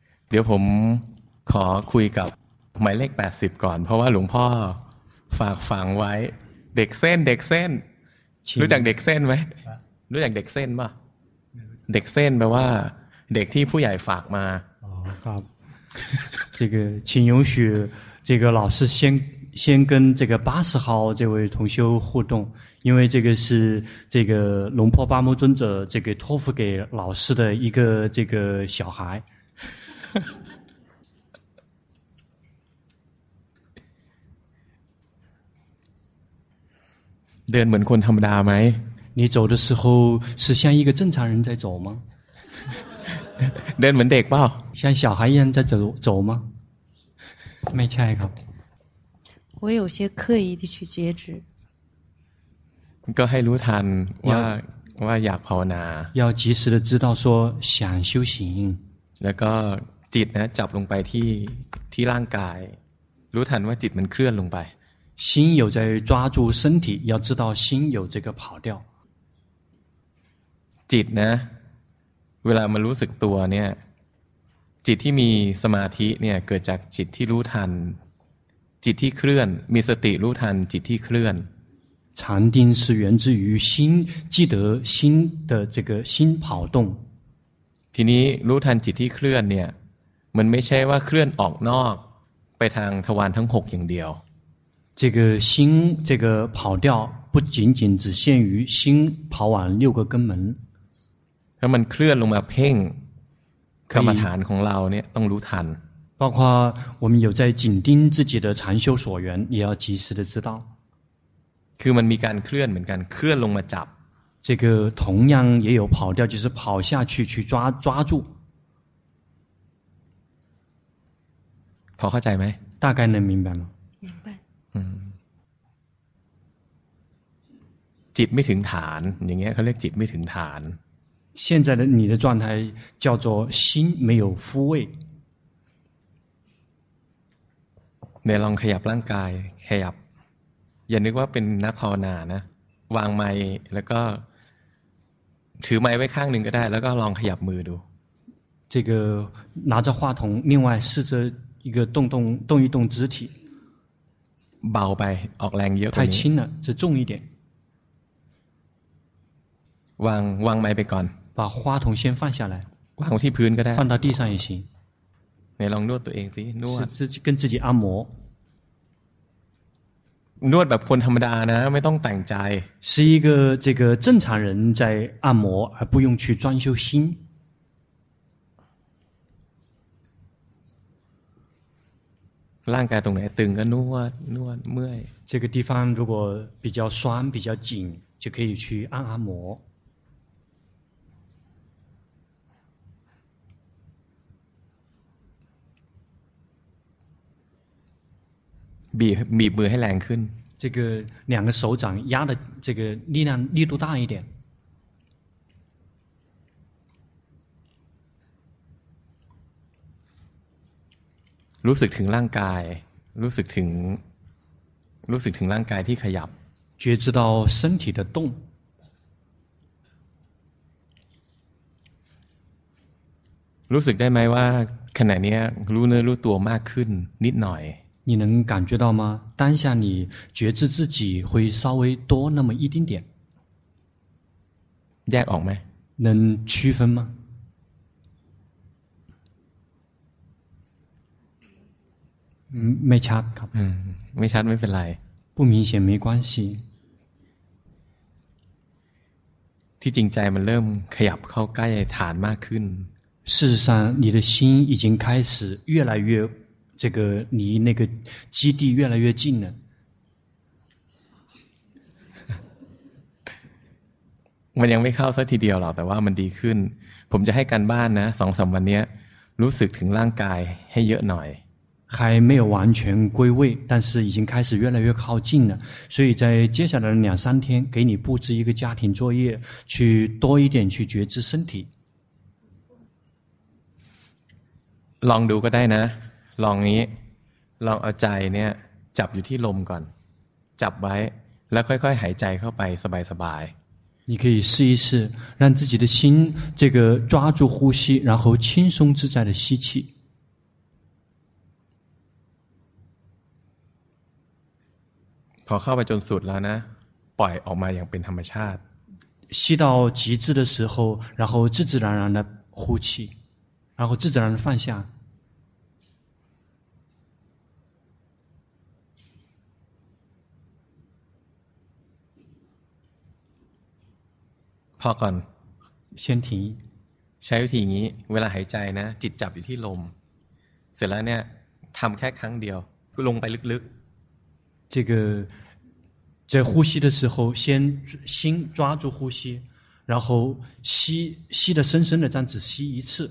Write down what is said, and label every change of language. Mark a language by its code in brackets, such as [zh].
[th] เดี๋ยวผมขอคุยกับหมายเลข80ก่อนเพราะว่าหลวงพ่อฝากฝังไว้เด็กเส้นเด็กเส้นรู้จักเด็กเส้นไหมรู้จักเด็กเส้นป่ะเด็กเส้นแปลว่าเด็กที่ผู้ใหญ่ฝากมา อ๋อครับ [zh] 这个请允许这个老师先先跟这个八十号这位同修互动，因为这个是这个龙婆巴木尊者这个托付给老师的一个这个小孩。 [th] เดินเหมือนคนธรรมดาไหม [zh] 你走的时候是像一个正常人在走吗？ [th] เดินเหมือนเด็กเปล่า [zh] 像小孩一样在走吗？ [th] ไม่ใช่ครับ [zh] 我有些刻意的去截止 [th] ก็ให้รู้ทันว่าอยากภาวนา [zh] 要及时的知道说想修行 [th] แล้วก็จิตนะจับลงไปที่ร่างกายรู้ทันว่าจิตมันเคลื่อนลงไป [zh] 心有在抓住身体要知道心有这个跑掉 [th] จิตนะเวลามันรู้สึกตัวเนี่ยจิตที่มีสมาธิเนี่ยเกิดจากจิตที่รู้ทันจิตที่เคลื่อนมีสติรู้ทันจิตที่เคลื่อน [zh] 禅定是源自于心记得心的这个心跑动 [th] ทีนี้รู้ทันจิตที่เคลื่อนเนี่ยมันไม่ใช่ว่าเคลื่อนออกนอกไปทางทวารทั้ง6อย่างเดียว [zh] 这个心这个跑掉不仅仅只限于心跑往六个根门 [th] ถ้ามันเคลื่อนลงมาเพ่งกรรมฐานของเราเนี่ยต้องรู้ทัน [zh] 包括我们有在紧盯自己的禅修所缘也要及时的知道 [th] คือมันมีการเคลื่อนเหมือนกันเคลื่อนลงมาจับ [zh] 这个同样也有跑掉就是跑下去抓住 [th] พอเข้าใจไหม [zh] 大概能明白吗明白 [th] จิตไม่ถึงฐานอย่างเงี้ยเขาเรียกจิตไม่ถึงฐาน [zh] 现在的你的状态叫做心没有复位 [th] เนี่ยลองขยับร่างกายขยับอย่านึกว่าเป็นนักภาวนานะวางไมค์แล้วก็ถือไมค์ไว้ข้างหนึ่งก็ได้แล้วก็ลองขยับมือดู [zh] 这个拿着话筒另外试着一个动一动肢体 [th] เบาไปออกแรงเยอะ [zh] 太轻了这重一点 [th] วางไมค์ไปก่อน [zh] 把话筒先放下来 [th] วางที่พื้นก็ได้ [zh] 放到地上也行 [th] ไหนลองนวดตัวเองสินวด [zh] 跟自己按摩 [th] นวดแบบคนธรรมดานะไม่ต้องแต่งใจ [zh] 是一个这个正常人在按摩而不用去装修心 [th] ร่างกายตรงไหนตึงก็นวดเมื่อย [zh] 这个地方如果比较酸比较紧就可以去按摩 [th] บีบมือให้แรงขึ้น [zh] 这个两个手掌压的这个力量力度大一点 [th] รู้สึกถึงร่างกายรู้สึกถึงร่างกายที่ขยับ [zh] 觉知到身体的动 [th] รู้สึกได้ไหมว่าขณะนี้รู้เนื้อรู้ตัวมากขึ้นนิดหน่อย [zh] 你能感觉到吗？当下你觉知自己会稍微多那么一丁点。 [th] แยกออกไหม？ [zh] 能区分吗？ [th] ไม่ชัดครับ。 ไม่ชัดไม่เป็นไร。 [zh] 不明显没关系。 [th] ที่จริงใจมันเริ่มขยับเข้าใกล้ฐานมากขึ้น。 [zh] 事实上，你的心已经开始越来越。这个离那个基地越来越近了。 [th] มันยังไม่เข้าซะทีเดียวหรอกแต่ว่ามันดีขึ้นผมจะให้การบ้านนะ 2-3 วันนี้รู้สึกถึงร่างกายให้เยอะหน่อย [zh] 还没有完全归位但是已经开始越来越靠近了所以在接下来的两三天给你布置一个家庭作业去多一点去觉知身体 [th] ลองดูก็ได้นะลองนี้ลองเอาใจเนี่ยจับอยู่ที่ลมก่อนจับไว้แล้วค่อยๆหายใจเข้าไปสบาย [zh] ๆ你可以试一试让自己的心这个抓住呼吸然后轻松自在的吸气 [th] พอเข้าไปจนสุดแล้วนะปล่อยออกมาอย่างเป็นธรรมชาติ [zh] 吸到极致的时候然后自自然然的呼气然后自自然的放下 [th] พอก่อน เช่นที ใช้วิธีนี้เวลาหายใจนะจิตจับอยู่ที่ลมเสร็จแล้วเนี่ยทำแค่ครั้งเดียวลงไปลึก [zh] ๆ这个在呼吸的时候先心抓住呼吸然后吸吸的深深的这样子吸一次